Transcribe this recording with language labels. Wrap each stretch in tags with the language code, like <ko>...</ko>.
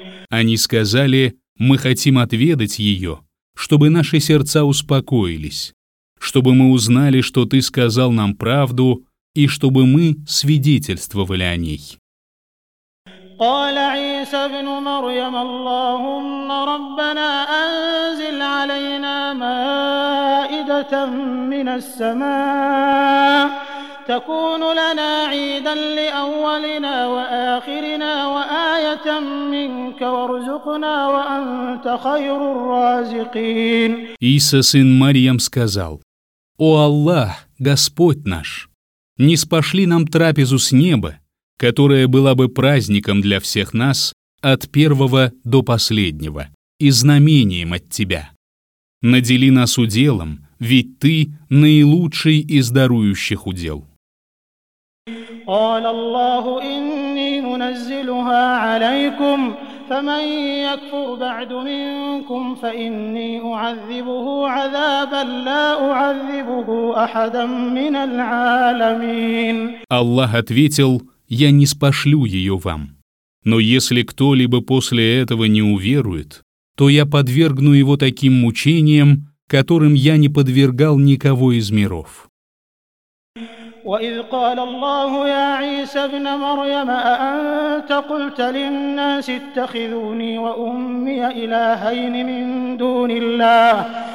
<ru>Они сказали: «Мы хотим отведать ее, чтобы наши сердца успокоились, чтобы мы узнали, что ты сказал нам правду, и чтобы мы свидетельствовали о ней».</ru> <ar>قال عيسى ابن مريم: اللهم ربنا أنزل علينا مائدة من السماء تكون لنا عيدا لأولنا وآخرنا وآية منك وارزقنا وأنت خير الرازقين.</ar> <ru>عيسى сын Марьям сказал: «О Аллах, Господь наш, ниспошли нам трапезу с неба, которая была бы праздником для всех нас от первого до последнего и знамением от Тебя. Надели нас уделом, ведь Ты – наилучший из дарующих удел».</ru> <ar>قال الله إني منزلها عليكم فمن يكفر بعد منكم فإني أعذبه عذابا لا أعذبه أحدا من العالمين.</ar> <ru>الله ответил: «Я ниспошлю ее вам. Но если кто-либо после этого не уверует, то я подвергну его таким мучениям, которым я не подвергал никого из миров».</ru> <ar>وَإِذْ قَالَ اللَّهُ يَا عِيسَى ابْنَ مَرْيَمَ أَأَنْتَ قُلْتَ لِلنَّاسِ اتَّخِذُونِي وَأُمِّيَ إِلَٰهَيْنِ مِن دُونِ اللَّهِ</ar>